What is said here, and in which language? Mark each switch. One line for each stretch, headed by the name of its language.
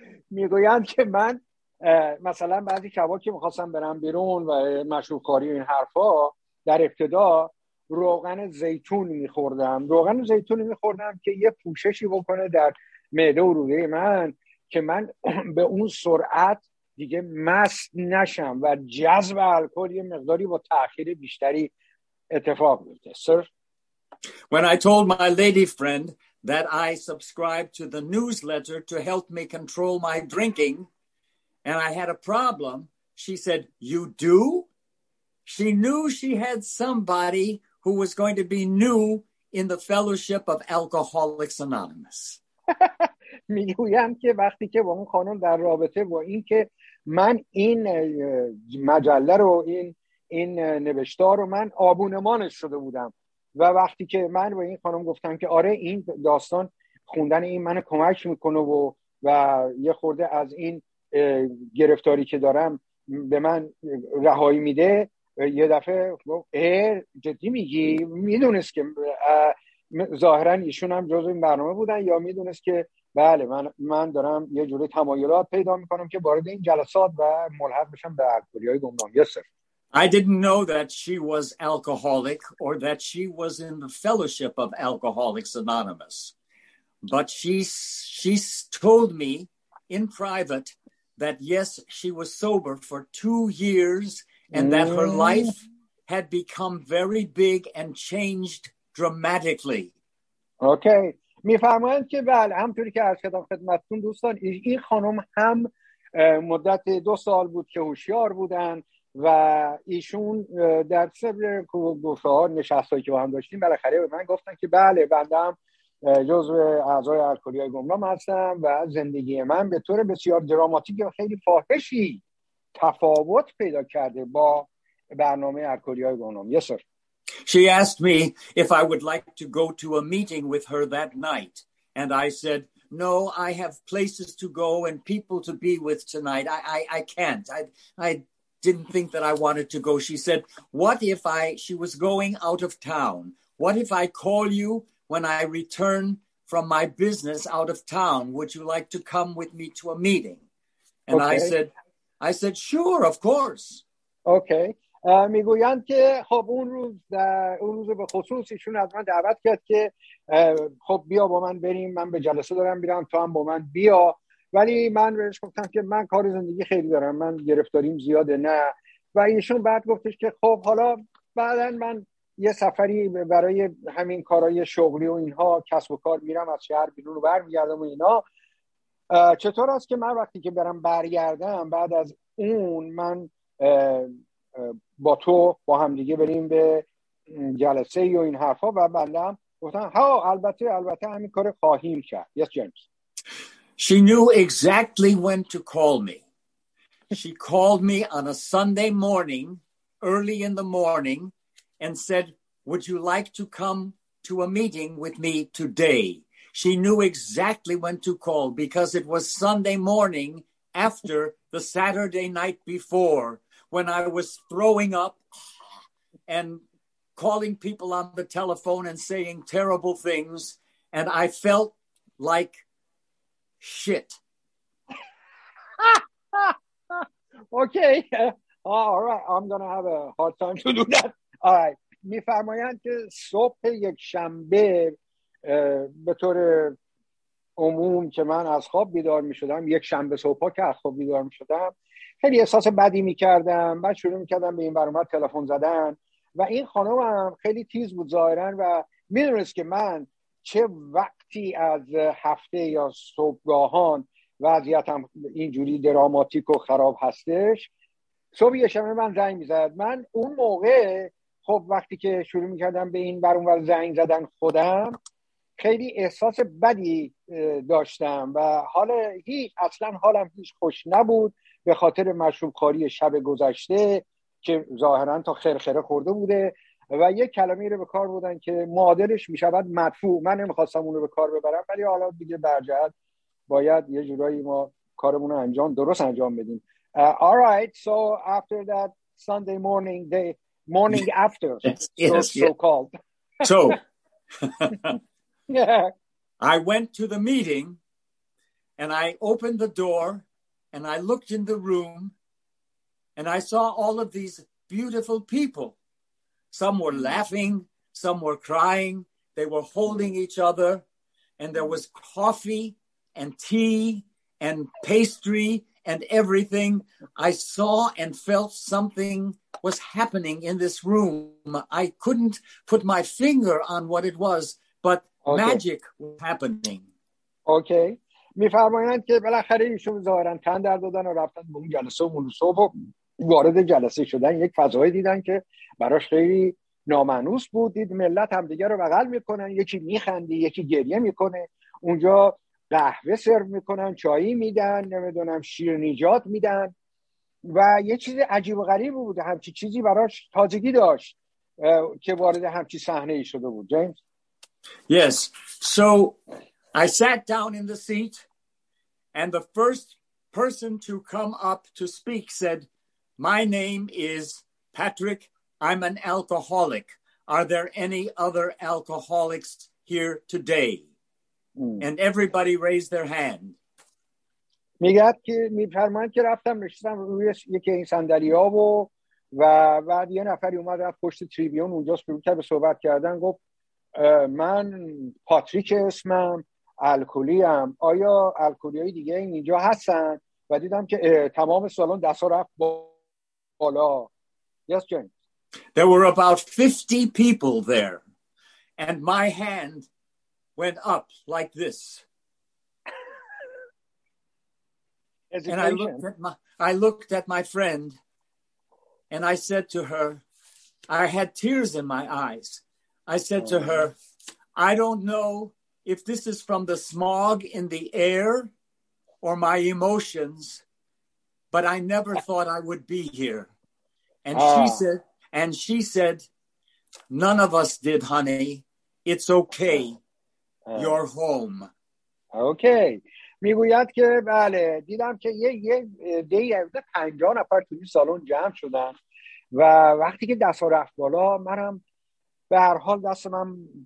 Persian: میگویند که من مثلا بعضی شبها که میخواستم برم بیرون و مشروب خوری این حرفا، در ابتدا روغن زیتون میخوردم. روغن زیتون میخوردم که یه پوششی بکنه در معده و روده من که من به اون سرعت دیگه مست نشم و جذب الکل یه مقداری با تأخیر بیشتری اتفاق میفته.
English: سر When I told my lady friend that I subscribed to the newsletter to help me control my drinking and I had a problem, she said, "You do?" She knew she had somebody who was going to be new in the fellowship of Alcoholics Anonymous.
Persian: میگویم که وقتی که با اون خانم در رابطه با این که من این مجله رو این نوشتار رو من آبونمانش شده بودم و وقتی که من با این خانم گفتم که آره این داستان خوندن این من کمک میکنه و یه خورده از این گرفتاری که دارم به من رهایی میده، یه دفعه جدی میگی؟ میدونست که ظاهرن ایشون هم جزو این برنامه بودن یا میدونست که بله من دارم یه جوری تمایلات پیدا میکنم که وارد این جلسات و ملحق بشم به الکلی های گمنام. یه صرف
English: I didn't know that she was alcoholic or that she was in the fellowship of Alcoholics Anonymous. But she told me in private that yes, she was sober for 2 years and that her life had become very big and changed dramatically. Okay.
Persian: می فرمایند که بله همطوری که عرض کردم خدمتتون دوستان، این خانم هم مدت دو سال بود که هوشیار بودن و ایشون در سبر گفتگوها نشستایی که با هم داشتیم بالاخره به من گفتن که بله بنده هم جزو اعضای الکلیای گمنام هستم و زندگی من به طور بسیار دراماتیک و خیلی فاحشی تفاوت پیدا کرده با برنامه الکلیای گمنام.
English: Yes sir. She asked me if I would like to go to a meeting with her that night, and I said, "No, I have places to go and people to be with tonight. I can't. I didn't think that I wanted to go." She said, "What if I?" She was going out of town. "What if I call you when I return from my business out of town? Would you like to come with me to a meeting?" And okay. I said, "Sure, of course." Okay.
Persian: میگویند که خب اون روز در اون روز به خصوص ایشون از من دعوت کرد که خب بیا با من بریم، من به جلسه دارم میرم، تو هم با من بیا. ولی من بهش گفتم که من کار زندگی خیلی دارم، من گرفتاریم زیاده نه. و ایشون بعد گفتش که خب حالا بعدا من یه سفری برای همین کارهای شغلی و اینها کسب و کار میرم، از شهر بیرون رو برمیگردم و اینا، چطور است که من وقتی که برم برگردم بعد از اون من با تو با هم دیگه بریم به جلسه ای و این حرفا؟ و بنده هم گفتن ها البته همین کار خواهیم کرد.
English: Yes, James. She knew exactly when to call me. She called me on a Sunday morning, early in the morning, and said, "Would you like to come to a meeting with me today?" She knew exactly when to call because it was Sunday morning after the Saturday night before, when I was throwing up and calling people on the telephone and saying terrible things, and I felt like shit. Okay. All right. I'm going to have a hard time to do that. All right.
Persian: می فرمایند که صبح یک شنبه به طور عموم که من از خواب بیدار می شدم، یک شنبه صبح که از خواب بیدار می شدم، خیلی احساس بدی میکردم. بعد شروع میکردم به این برامت تلفن زدن و این خانم هم خیلی تیز بود ظاهرن و میدونست که من چه وقتی از هفته یا صبحگاهان وضعیتم اینجوری دراماتیک و خراب هستش. صبح یه شمه من زنگ میزد. من اون موقع خب وقتی که شروع میکردم به این برامت زنگ زدن خودم، خیلی احساس بدی داشتم و حال هیچ اصلا حالم هیچ خوش نبود به خاطر مشروب خوری شب گذشته که ظاهرا تا خرخره خورده بوده و یک کلمه‌ای رو به کار بودن که معادلش میشود مدفوع. من نمیخواستم اون رو به کار ببرم، ولی حالا دیگه برجهت باید یه جورایی ما کارمون رو انجام درست انجام بدیم.
English: Alright, so after that Sunday morning, the morning after, so called. So, I went to the meeting and I opened the door and I looked in the room and I saw all of these beautiful people. Some were laughing, some were crying, they were holding each other, and there was coffee and tea and pastry and everything. I saw and felt something was happening in this room. I couldn't put my finger on what it was, but okay. Magic was happening. Okay.
Persian: می فرمایند که بالاخره ایشون ظاهرا تن در دادن و رفتن به اون جلسه و اون صبح و وارد جلسه شدن، یک فضایی دیدن که براش خیلی نامانوس بود. دید ملت هم دیگه رو بغل میکنن، یکی میخنده یکی گریه میکنه، اونجا قهوه سرو میکنن، چای میدن، نمیدونم شیرینیجات میدن و یه چیز عجیب و غریب بود. همچی چیزی براش تازگی داشت که وارد همچی صحنه ای شده بود. جیمز.
English: Yes. So I sat down in the seat, and the first person to come up to speak said, "My name is Patrick. I'm an alcoholic. Are there any other alcoholics here today?" And everybody raised their hand.
Persian: میگه که میفرماید که رفتم نشستم روی یکی این صندلی‌ها و بعد یه نفری اومد رفت پشت تریبیون اونجا شروع کرد به صحبت کردن. گفت من پاتریک اسمم، الکلی هم، آیا الکلی های دیگه اینجا هستن؟ و دیدم که تمام سالن دست ها رفت بالا.
English: Yes, James. There were about 50 people there and my hand went up like this. And I looked at my friend and I said to her, I had tears in my eyes. I said to her, I don't know if this is from the smog in the air or my emotions, but I never thought I would be here. And she said, none of us did, honey. It's okay. You're home. Okay.
Persian: میگوید که بله، دیدم که یه دیگه 50 نفر توی سالن جمع شدن و وقتی که دست ها رفت بالا، منم به هر حال دستم